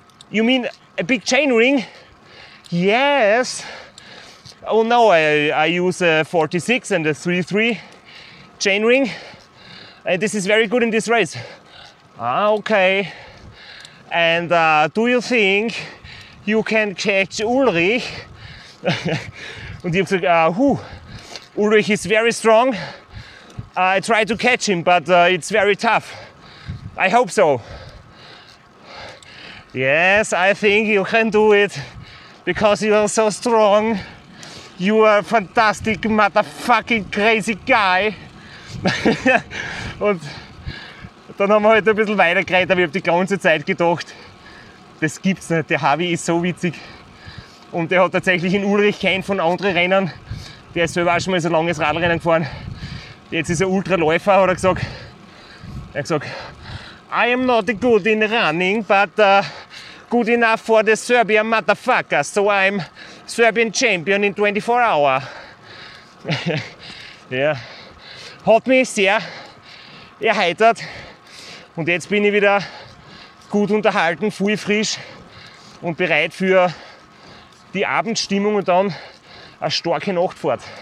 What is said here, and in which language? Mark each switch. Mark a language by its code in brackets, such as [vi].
[en] You mean a big chain ring? Yes. Oh no, I use a 46 and a 33 chain ring. This is very good in this race. Ah, okay. And do you think you can catch Ulrich? [de] Und ich hab gesagt, [en] Ulrich is very strong. I try to catch him, but it's very tough. I hope so. Yes, I think you can do it because you are so strong. You are a fantastic motherfucking crazy guy. [de] Und dann haben wir halt ein bisschen weiter geredet, aber ich hab die ganze Zeit gedacht, das gibt's nicht, der Javi ist so witzig. Und der hat tatsächlich in Ulrich keinen von anderen Rennern. Der ist selber auch schon mal so ein langes Radrennen gefahren. Jetzt ist er Ultraläufer, hat er gesagt. Er hat gesagt, [en] I am not good in running, but good enough for the Serbian motherfucker. So I'm Serbian champion in 24 hours. [de] Ja. Hat mich sehr erheitert. Und jetzt bin ich wieder gut unterhalten, voll frisch und bereit für die Abendstimmung und dann eine starke Nachtfahrt.